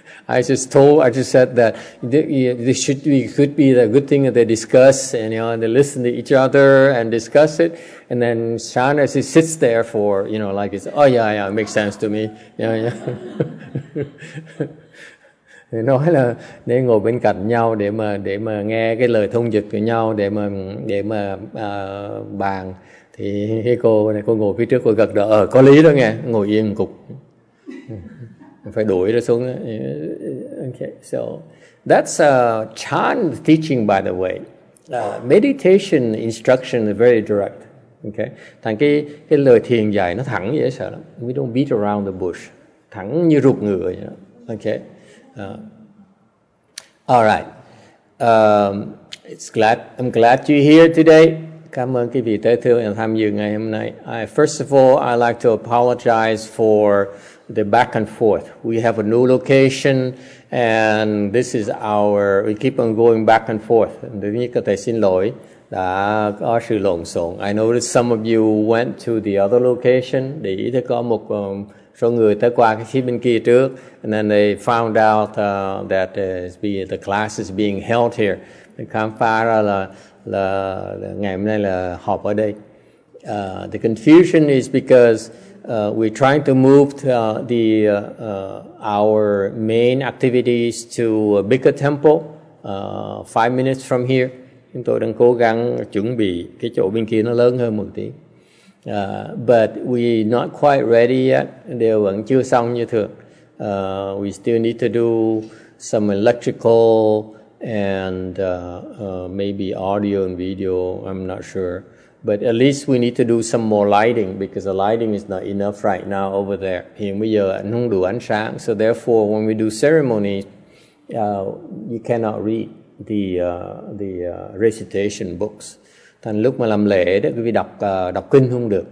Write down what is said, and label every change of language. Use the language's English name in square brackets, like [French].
[English] I just said that it could be a good thing that they discuss, and you know, they listen to each other and discuss it. And then Shana just sits there for, you know, like it's, oh yeah, yeah, it makes sense to me. Yeah, yeah. [Vietnamese] Thì nói là để ngồi bên cạnh nhau để mà nghe cái lời thông dịch của nhau để mà bàn. Thì cái cô này, cô ngồi phía trước, cô gật đầu, có lý đó nghe, ngồi yên một cục. Phải đuổi ra xuống. [English] Okay, so that's chan teaching, by the way. Meditation instruction is very direct. [Vietnamese] Okay, thành cái lời thiền dạy nó thẳng dễ sợ lắm. [English] We don't beat around the bush. [Vietnamese] Thẳng như rụt ngựa vậy đó. Okay. [English] Alright. I'm glad you're here today. [Vietnamese] Cảm ơn quý vị tới thương và tham dự ngày hôm nay. [English] First of all, I'd like to apologize for the back and forth. We have a new location and this is we keep on going back and forth. [Vietnamese] Thứ nhất có thể xin lỗi đã có sự lộn xộn. [English] I noticed some of you went to the other location. [Vietnamese] Để ý thấy có một số người tới qua cái phía bên kia trước. [English] And then they found out that the class is being held here. [Vietnamese] Thì khám phá ra là ngày hôm nay là họp ở đây. [English] The confusion is because we're trying to move our main activities to a bigger temple, 5 minutes from here. [Vietnamese] Chúng tôi đang cố gắng chuẩn bị cái chỗ bên kia nó lớn hơn một tí. [English] But we're not quite ready yet. [Vietnamese] Đều vẫn chưa xong như thường. [English] We still need to do some electrical and maybe audio and video, I'm not sure. But at least we need to do some more lighting because the lighting is not enough right now over there. [Vietnamese] Hiện bây giờ anh không đủ ánh sáng. [English] So therefore, when we do ceremony, you cannot read the recitation books. [Vietnamese] Thành lúc mà làm lễ đó, quý vị đọc kinh không được.